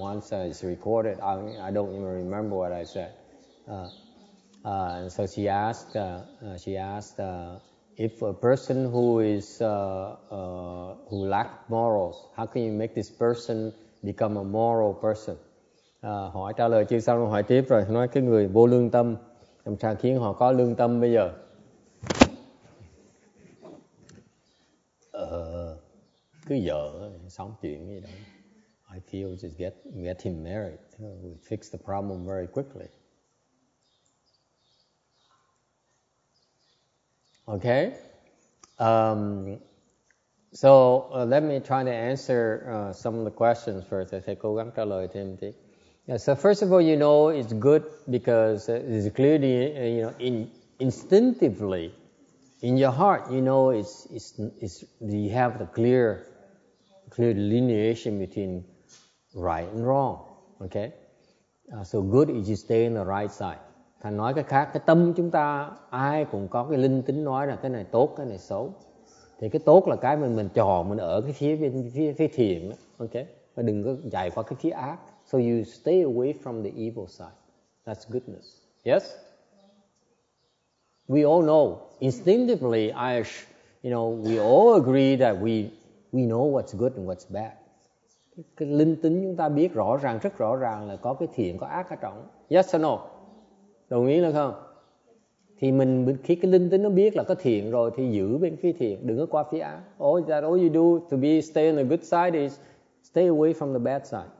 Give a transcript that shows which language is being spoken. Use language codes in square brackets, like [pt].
[en] Once it's recorded, I don't even remember what I said. So she asked if a person who is, who lacks morals, how can you make this person become a moral person. [vi] Hỏi trả lời chưa xong hỏi tiếp rồi nói cái người vô lương tâm làm sao khiến họ có lương tâm bây giờ. Cứ vợ sống chuyện gì đó. [en] I feel just get him married. We fix the problem very quickly. Okay. So let me try to answer some of the questions first. I think [vi] cố gắng trả lời thêm tí. [en] Yeah, so first of all, you know it's good because it's clearly, you know, instinctively in your heart, you know it's you have the clear delineation between right and wrong. Okay, so good is you stay on the right side. [vi] Thành nói cái khác, cái tâm chúng ta ai cũng có cái linh tính nói là cái này tốt, cái này xấu. Thì cái tốt là cái mình chọn, mình ở cái phía bên phía thiện đó. Okay? Và đừng có chạy qua cái phía ác. [en] So you stay away from the evil side. That's goodness. Yes? We all know. Instinctively, we all agree that we know what's good and what's bad. [vi] Cái linh tính chúng ta biết rõ ràng, rất rõ ràng là có cái thiện, có ác ở trong. [en] Yes or no? [vi] Đồng ý là không? Thì mình khi cái linh tính nó biết là có thiện rồi thì giữ bên phía thiện, đừng có qua phía ác. [en] All you do to be stay on the good side is stay away from the bad side.